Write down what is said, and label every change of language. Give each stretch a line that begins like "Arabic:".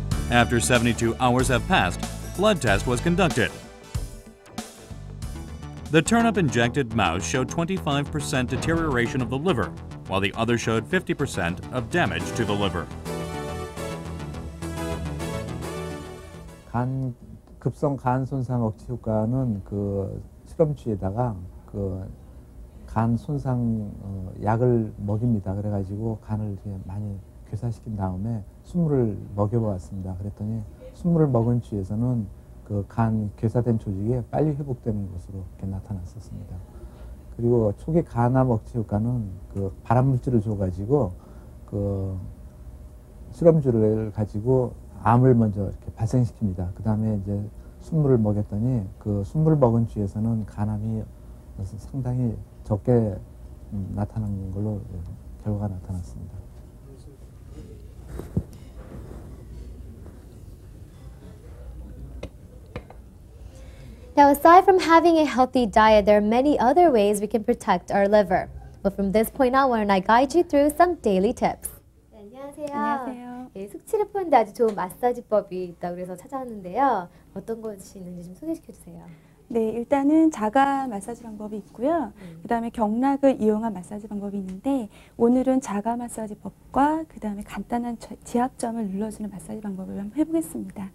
English: After 72 hours have passed, blood test was conducted. The turnip-injected mouse showed 25% deterioration of the liver, while the other showed 50% of damage to the liver.
Korean: 간 급성 간 손상 억제 효과는 그 실험쥐에다가 그 간 손상 약을 먹입니다. 그래가지고 간을 이제 많이 괴사시킨 다음에 수물을 먹여보았습니다. 그랬더니 수물을 먹은 쥐에서는 그 간 괴사된 조직이 빨리 회복되는 것으로 이렇게 나타났었습니다. 그리고 초기 간암 억제 효과는 그 발암물질을 줘가지고 그 실험쥐를 가지고 암을 먼저 이렇게 발생시킵니다. 그 다음에 이제 순물을 먹였더니 그 순물을 먹은 쥐에서는 간암이 상당히 적게 나타난 걸로 결과가 나타났습니다. 그래서...
English: Now aside from having a healthy diet, there are many other ways we can protect our liver. But from this point on, why don't I guide you through some daily tips?
Korean: 안녕하세요. 예, 숙취를 푸는데 아주 좋은 마사지법이 있다고 그래서 찾아왔는데요. 어떤 것이 있는지 좀 소개시켜주세요. 네, 일단은 자가 마사지 방법이 있고요. 그다음에 경락을 이용한 마사지 방법이 있는데 오늘은 자가 마사지법과 그다음에 간단한 지압점을 눌러주는 마사지 방법을 한번 해보겠습니다.